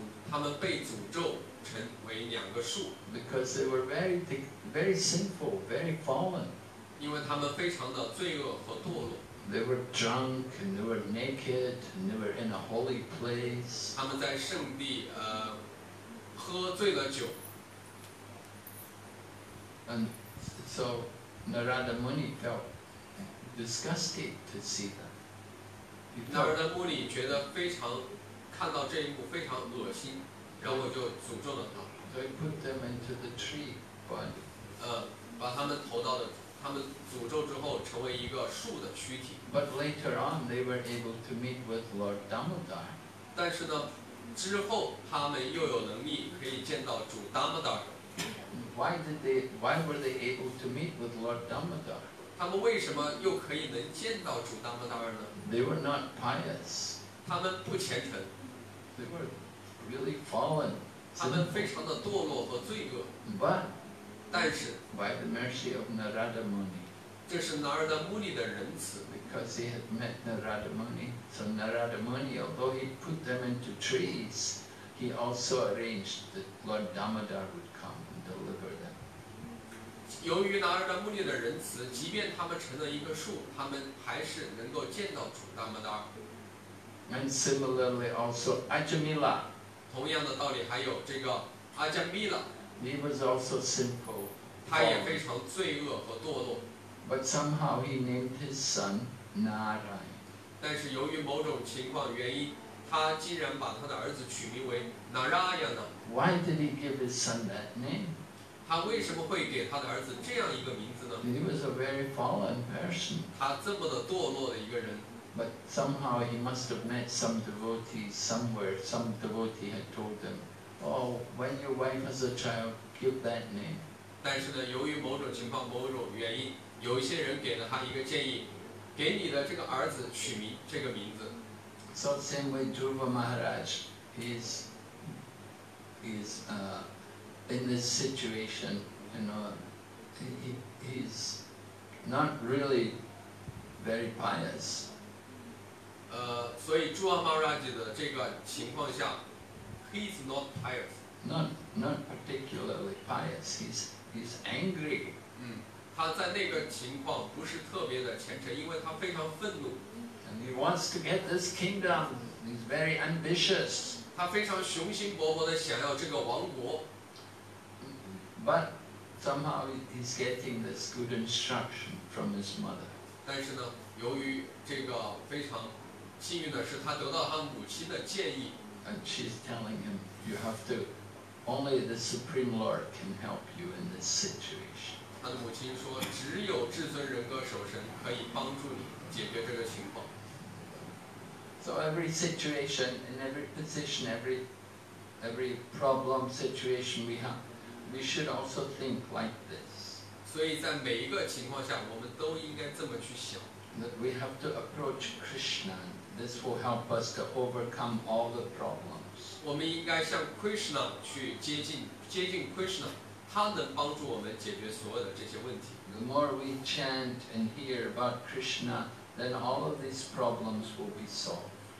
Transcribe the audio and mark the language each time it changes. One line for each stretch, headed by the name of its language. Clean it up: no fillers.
Chinese: 他们被诅咒成为两个树。
English: Because they were very sinful, very fallen.
Chinese: 因为他们非常的罪恶和堕落。
English: They were drunk and they were naked and they were in a holy place.
Chinese: 他们在圣地喝醉了酒。
English: And so Narada Muni felt disgusted to see them.
Chinese: Narada Muni 觉得非常看到这一幕非常恶心，然后就诅咒了他。
English: So he put them into the tree body.
Chinese: 把他们投到了他们诅咒之后成为一个树的躯体。
English: But later on, they were able to meet with Lord Damodar.
Chinese: 但是呢，之后他们又有能力可以见到主达摩达尔。
English: Why were they able to meet with Lord Damodar?
Chinese: 他们为什么又可以能见到主达摩达尔呢？
English: They were not pious.
Chinese: 他们不虔诚。
English: They were really fallen.
Chinese: 他们非常的堕落和罪恶。
English: But
Chinese: 但是
English: by the mercy of Narada Muni,
Chinese: 这是 Narada Muni 的仁慈。
English: Because he had met Narada Muni, so Narada Muni, although he put them into trees, he also arranged that Lord Damodar would come and deliver them.
Chinese: 由于 Narada Muni 的仁慈，即便他们成了一棵树，他们还是能够见到主 Damodar.
English: And similarly, also Ajamila.
Chinese: 同样的道理，还有这个 Ajamila.
English: He was also sinful.
Chinese: 他也非常罪恶和堕落。
English: But somehow he named his son Narai.
Chinese: 但是由于某种情况原因，他竟然把他的儿子取名为 Narayana.
English: Why did he give his son that name?
Chinese: 他为什么会给他的儿子这样一个名字呢？
English: He was a very fallen person.
Chinese: 他这么的堕落的一个人。
English: But somehow he must have met some devotee somewhere. Some devotee had told him. Oh, when your wife has a child, give that name.
Chinese: 但是呢，由于某种情况、某种原因，有一些人给了他一个建议，给你的这个儿子取名这个名字。
English: So same way, Dhruva Maharaj is in this situation. You know, he's not really very pious.
Chinese: 所以 Dhruva Maharaj 的这个情况下。
English: He's not pious. Not particularly pious. He's angry.
Chinese: 他在那个情况不是特别的虔诚，因为他非常愤怒。
English: And he wants to get this kingdom. He's very ambitious.
Chinese: 他非常雄心勃勃的想要这个王国。
English: But somehow he's getting this good instruction from his mother.
Chinese: 但是呢，由于这个非常幸运的是，他得到他母亲的建议。
English: And she's telling him, you have to, only the Supreme Lord can help you in this situation.
Chinese: 他的母亲说，只有至尊人格守神可以帮助你解决这个情况。
English: So every situation, in every position, every problem situation we have, we should also think like this.
Chinese: 所以在每一个情况下，我们都应该这么去想。
English: That we have to approach Krishna. This will help us to overcome all the problems.
Chinese: 我们应该向 Krishna 去接近 Krishna， 他能帮助我们解决所有的这些问题。
English: The more we chant and hear about Krishna, then all of these problems will be solved.